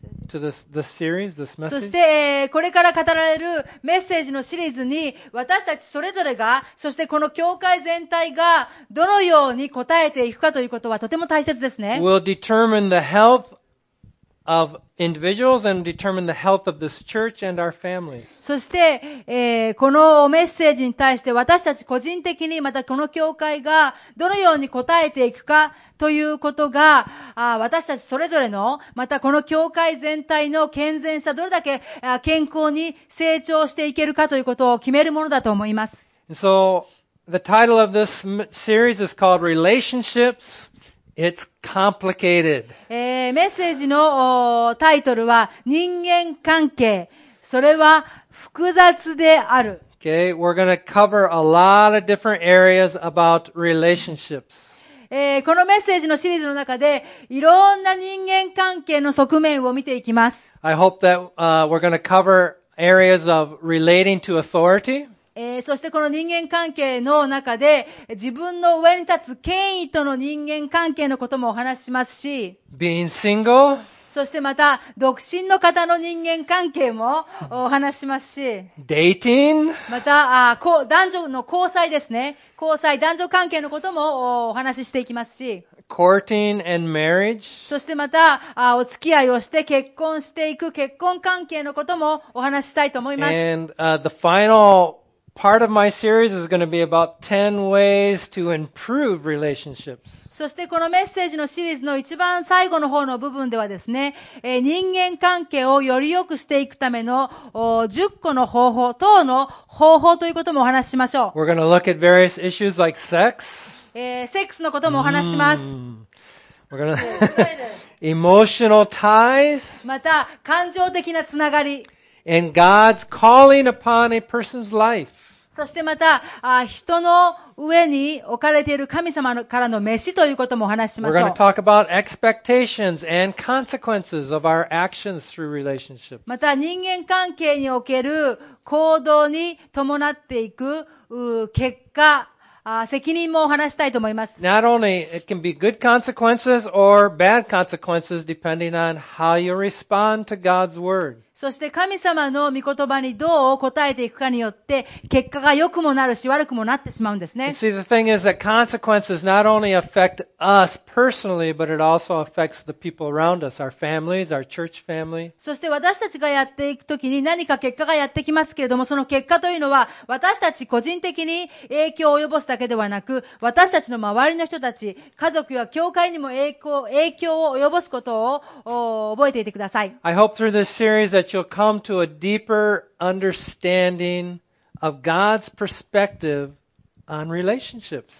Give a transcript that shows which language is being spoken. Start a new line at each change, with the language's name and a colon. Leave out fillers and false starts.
Japanese: そして、これから語られるメッセージのシリーズに私たちそれぞれが、そしてこの教会全体がどのように答えていくかということはとても大切ですね。
English: We'll determine the health of individuals and determine the health of this church and our families.
Japanese: そして、このメッセージに対して私たち個人的にまたこの教会がどのように答えていくかということが、私たちそれぞれの、またこの教会全体の健全さ、どれだけ健康に成長していけるかということを決めるものだと思います。
English: So, the title of this series is called Relationships. It's complicated.
Japanese: メッセージのタイトルは、人間関係。それは複雑である。
English: Okay, we're going to cover a lot of different areas about relationships.
Japanese: このメッセージのシリーズの中でいろんな人間関係の側面を見ていきます。
English: I hope that, we're going to cover areas of relating to authority.
Japanese: そしてこの人間関係の中で自分の上に立つ権威との人間関係のこともお話ししますし、
English: Being single.
Japanese: そしてまた独身の方の人間関係もお話しますし、
English: Dating.
Japanese: また男女の交際ですね、交際、男女関係のこともお話ししていきますし、
English: Courting and marriage.
Japanese: そしてまたお付き合いをして結婚していく結婚関係のこともお話ししたいと思います。
English: And, the final part of my series is going to be about 10 ways to improve relationships.
Japanese: そしてこのメッセージのシリーズの一番最後の方の部分ではですね、人間関係をより良くしていくための10個の方法、等の方法ということもお話ししましょう。
English: We're going to look at various issues like sex.
Japanese: セックスのこともお話しします。
English: We're going to emotional ties.
Japanese: また感情的なつながり。
English: and God's calling upon a person's life.
Japanese: そしてまた、人の上に置かれている神様からの召しということもお話ししましょう。
English: We're going to talk about expectations and consequences of our actions through relationships.
Japanese: また人間関係における行動に伴っていく結果、責任もお話したいと思います。
English: Not only it can be good consequences or bad consequences depending on how you respond to God's word.
Japanese: そして神様の御言葉にどう答えていくかによって結果が良くもなるし悪くもなってしまうんですね。
English: See, the thing is that consequences not only affect us personally, but it also affects the people around us, our families, our church family.
Japanese: そして私たちがやっていくときに何か結果がやってきますけれども、その結果というのは私たち個人的に影響を及ぼすだけではなく、私たちの周りの人たち、家族や教会にも影響を及ぼすことを覚えていてください。
English: I hope through this seriesThat you'll come to a deeper understanding of God's perspective on relationships.